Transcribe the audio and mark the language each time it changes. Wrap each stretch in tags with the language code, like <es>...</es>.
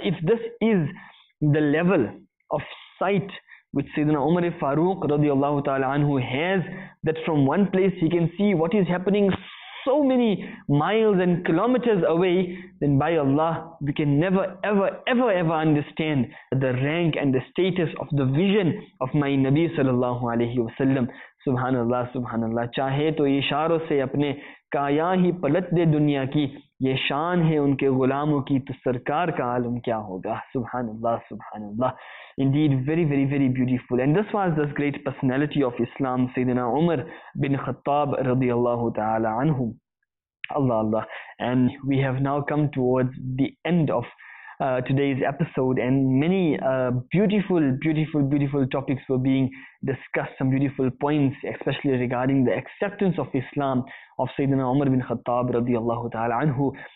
<en>If this is the level of sight which Sayyidina Umar Farooq radiallahu ta'ala anhu has, that from one place he can see what is happening so many miles and kilometers away, then by Allah, we can never, ever, ever, ever understand the rank and the status of the vision of my Nabi sallallahu alayhi wa sallam.</en> <ur>سبحان اللہ سبحان اللہ. چاہے تو اشاروں سے اپنے کایاں ہی پلٹ دے دنیا کی, یہ شان ہے ان کے غلاموں کی تو سرکار کا عالم کیا ہوگا. سبحان اللہ سبحان اللہ.</ur> <en>Indeed, very, very, very beautiful. And this was this great personality of Islam, Sayyidina Umar bin Khattab radiallahu ta'ala anhu. Allah, Allah. And we have now come towards the end of today's episode, and many beautiful, beautiful, beautiful topics were being discussed, some beautiful points, especially regarding the acceptance of Islam of Sayyidina Umar bin Khattab radiallahu ta'ala anhu.</en>